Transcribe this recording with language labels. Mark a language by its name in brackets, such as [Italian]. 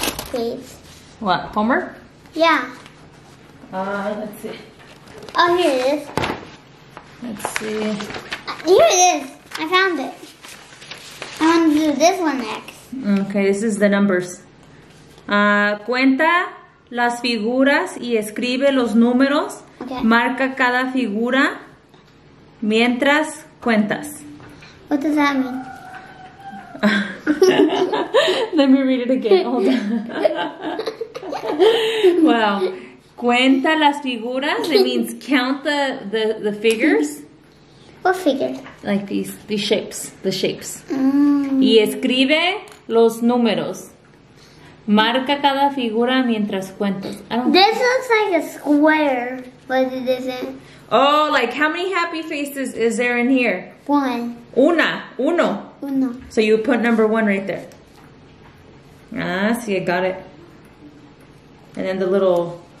[English] Please. What, Homer? Yeah. Let's see. Oh, here it is. Let's see. Here it is. I found it. I want to do this one next. Okay, this is the numbers. [Spanish] Cuenta las figuras y escribe los números. [English] Okay. [Spanish] Marca cada figura mientras cuentas. [English] What does that mean? Let me read it again. Hold on. [Spanish] Wow. Cuenta las figuras. [English] It means count the figures. What figure? Like these shapes. The shapes. Mm. [Spanish] Y escribe los números. Marca cada figura mientras cuentas. [English] This looks like a square, but it isn't. Oh, like how many happy faces is there in here? One. [Spanish] Una. Uno. Uno. [English] So you put number one right there. Ah, see, I got it. And then the little...